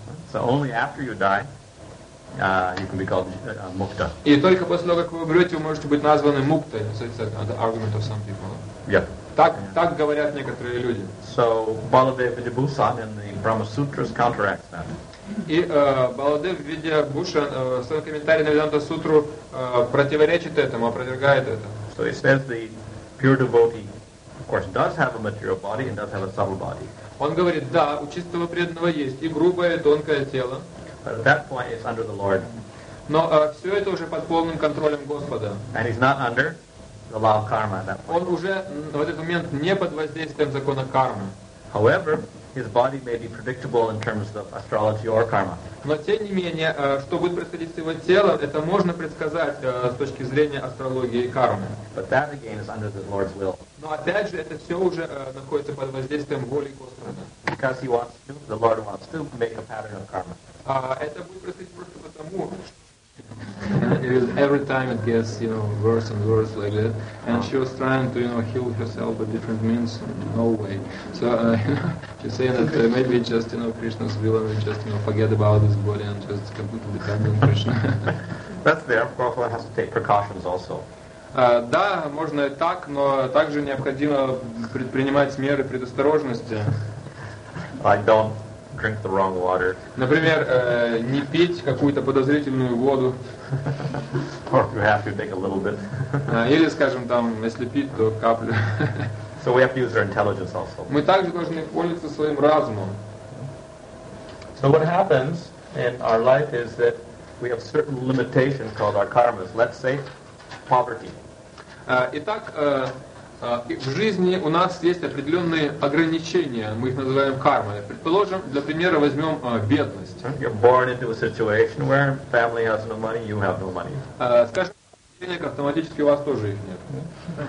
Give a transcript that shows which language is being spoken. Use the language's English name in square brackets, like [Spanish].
[English] So only after you die, you can be called mukta. [Russian] И только после того, как вы умрете, вы можете быть названы мукта. [English] So it's the argument of some people. Yeah. [Russian] Так говорят некоторые люди. [English] So Baladeva Vidyabhushan in the Brahma Sutras counteracts that. [Russian] И Баладев Видьябхушан в своем комментарии на Веданта Сутру противоречит этому, опровергает это. [English] So he says the pure devotee. Of course, does have a material body and does have a subtle body. [Russian] Он говорит, да, у чистого преданного есть и грубое, и тонкое тело. [English] But at that point, it's under the Lord. [Russian] Но все это уже под полным контролем Господа. [English] And he's not under the law of karma at that point. [Russian] Он уже в этот момент не под воздействием закона кармы. [English] However, his body may be predictable in terms of astrology or karma. [Russian] Но тем не менее, что будет происходить с его телом, это можно предсказать с точки зрения астрологии и кармы. [English] But that again is under the Lord's will. [Russian] Но опять же, это все уже находится под воздействием воли Господа. [English] Because he wants to, the Lord wants to make a pattern of karma. [Russian] Это будет происходить просто потому, что... [English] every time it gets, you know, worse and worse like that. And she was trying to, you know, heal herself by different means, no way. So, she's saying that maybe just, you know, Krishna's will and just, you know, forget about this body and just completely depend on Krishna. That's there. Of course, one has to take precautions also. [Russian] Да, можно и так, но также необходимо предпринимать меры предосторожности. [English] I don't drink the wrong water. [Russian] Например, не пить какую-то подозрительную воду. [English] Or you have to take a little bit. [Russian] Или, скажем, там, если пить, то каплю. [English] So we have to use our intelligence also. [Russian] Мы также должны пользоваться своим разумом. [English] So what happens in our life is that we have certain limitations called our karmas. Let's say poverty. [Russian] Итак, в жизни у нас есть определенные ограничения, мы их называем кармой. Предположим, для примера возьмем бедность. [English] You're born into a situation where family has no money, you have no money. [Russian] Скажем, денег автоматически у вас тоже их нет.